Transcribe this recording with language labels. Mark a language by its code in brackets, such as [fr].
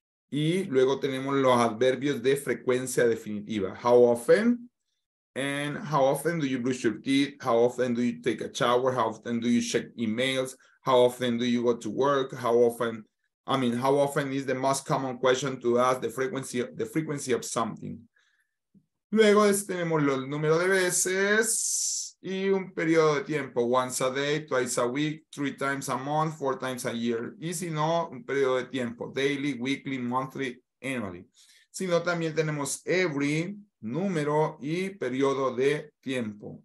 [es] Y luego tenemos los adverbios de frecuencia definitiva. [en] How often? And how often do you brush your teeth? How often do you take a shower? How often do you check emails? How often do you go to work? How often is the most common question to ask the frequency of something? [es] Luego tenemos el número de veces y un periodo de tiempo. [en] Once a day, twice a week, 3 times a month, 4 times a year. [es] Y si no, un periodo de tiempo. [en] Daily, weekly, monthly, annually. [es] Si no, también tenemos every, número y periodo de tiempo.